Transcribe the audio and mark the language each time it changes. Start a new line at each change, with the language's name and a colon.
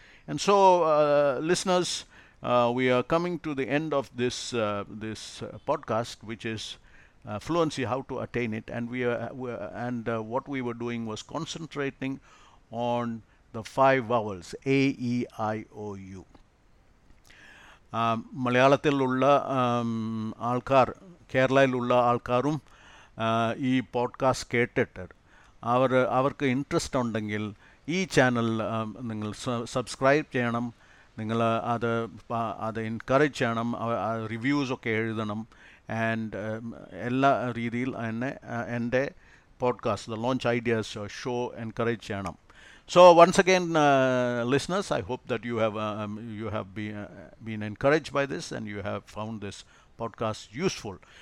English: And so, listeners, we are coming to the end of this podcast, which is Fluency, How to Attain It. And what we were doing was concentrating on the five vowels, A, E, I, O, U.
Malayalam: മലയാളത്തിലുള്ള ആൾക്കാർ, കേരളയിലുള്ള ആൾക്കാരും ഈ podcast കേട്ടിട്ട് അവർക്ക് interest ഉണ്ടെങ്കിൽ ഈ channel നിങ്ങൾ subscribe ചെയ്യണം, നിങ്ങൾ അത് എൻകറേജ് ചെയ്യണം, റിവ്യൂസൊക്കെ എഴുതണം, ആൻഡ് എല്ലാ രീതിയിൽ തന്നെ എൻ്റെ podcast the launch ideas show encourage ചെയ്യണം.
English: So once again, listeners, I hope that you have been encouraged by this, and you have found this podcast useful.